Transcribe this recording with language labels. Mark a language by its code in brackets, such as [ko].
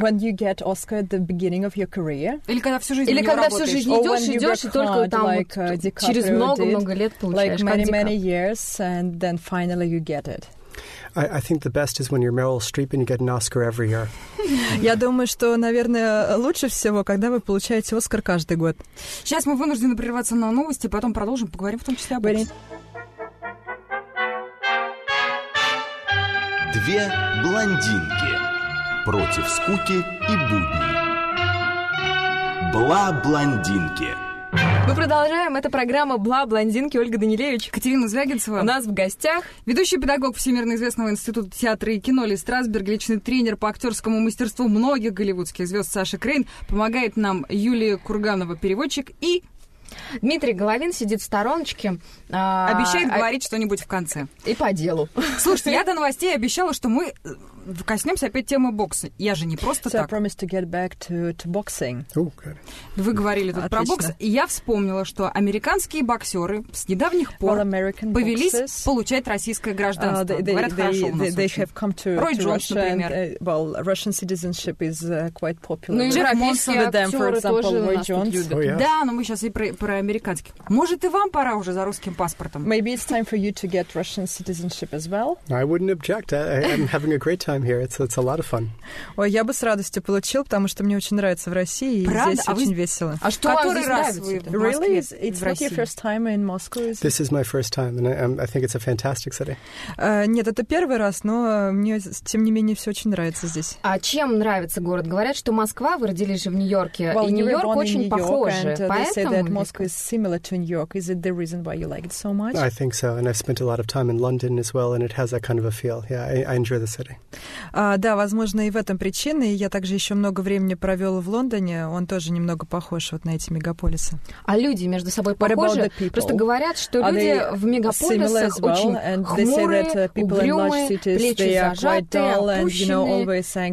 [en] When you get Oscar at the beginning of your career? [ru] Или когда всю жизнь или когда всю жизнь идешь и только там через много лет получаешь? [en] Like many years, and then finally you get it. I think the best is when you're Meryl Streep and you get an Oscar every year. [ru] Я думаю, что, наверное, лучше всего, когда вы получаете Оскар каждый год. Сейчас мы вынуждены прерваться на новости, потом продолжим, поговорим в том числе об этом. Две блондинки против скуки и будней. Бла-блондинки. Мы продолжаем. Это программа «Бла-блондинки». Ольга Данилевич. Катерина Звягинцева. У нас в гостях ведущий педагог Всемирно известного института театра и кино Ли Страсберг, личный тренер по актерскому мастерству многих голливудских звезд Саша Крейн, помогает нам Юлия Курганова, переводчик, и... Дмитрий Головин сидит в стороночке. Обещает говорить что-нибудь в конце. И по делу. Слушайте, я до новостей обещала, что мы коснемся опять темы бокса. Я же не просто так. [en] So I promised to get back to boxing. Okay. [ru] Вы говорили тут про бокс, и я вспомнила, что американские боксеры с недавних пор повелись получать российское гражданство. Говорят, хорошо у нас очень. Рой Джонс, например. [en] Well, Russian citizenship is quite popular. [ru] Ну и российские актеры тоже у нас тут любят. Да, но мы сейчас и про американских. Может, и вам пора уже за русским паспортом? [en] Maybe it's time for you to get Russian citizenship as well. I wouldn't object. I'm having a great time. time here. It's a lot of fun. [ru] Ой, я бы с радостью получил, потому что мне очень нравится в России, и здесь очень весело. А что вам здесь нравится? [en] Really? It's not your first time in Moscow, is it? This is my first time, and I think it's a fantastic city. [ru] Нет, это первый раз, но мне, тем не менее, все очень нравится здесь. А чем нравится город? Говорят, что Москва, вы родились же в Нью-Йорке, и Нью-Йорк очень похож. [en] They say that Moscow is similar to New York. Is it the reason why you like it so much? I think so, and I've spent a lot of time in London as well, and it has that kind of a feel. Yeah, I enjoy the city. [ru] Да, возможно, и в этом причина. И я также еще много времени провел в Лондоне. Он тоже немного похож вот на эти мегаполисы. А люди между собой похожи? Просто говорят, что люди в мегаполисах очень хмурые, угрюмые, плечи зажатые, опущенные.